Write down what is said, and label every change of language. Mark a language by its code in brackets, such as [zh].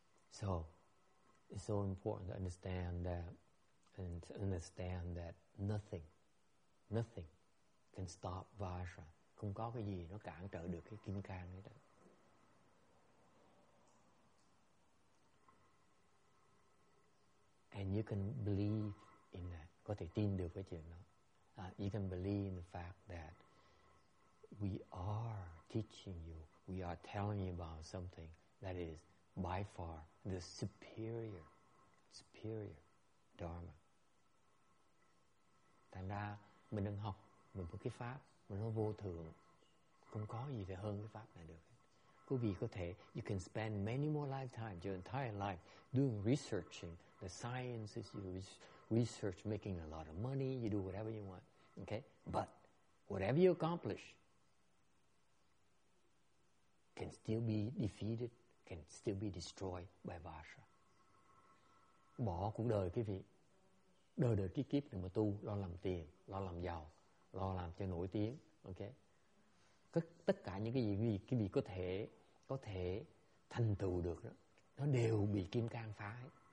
[en] So, it's so important to understand that nothing can stop Vajra. [vi] Không có cái gì nó cản trở được cái kim cang ấy đó. [en] And you can believe in that. [vi] Có thể tin được cái chuyện đó. [en] You can believe in the fact that we are teaching you, we are telling you about something that is by far the superior dharma. [vi] Thành ra mình đang học mình một cái pháp mà nó vô thường, không có gì phải hơn cái pháp này được. Quý vị có thể, [en] you can spend many more lifetimes, your entire life, doing researching the sciences, you research, making a lot of money, you do whatever you want, okay? But whatever you accomplish can still be defeated, can still be destroyed by Vajra. [vi] Bỏ cuộc đời quý vị, đời đời kiếp kiếp mà tu, lo làm tiền, lo làm giàu, lo làm cho nổi tiếng, okay? Tất cả những cái gì quý vị có thể thành tựu được đó, nó đều bị kim cang phá ấy.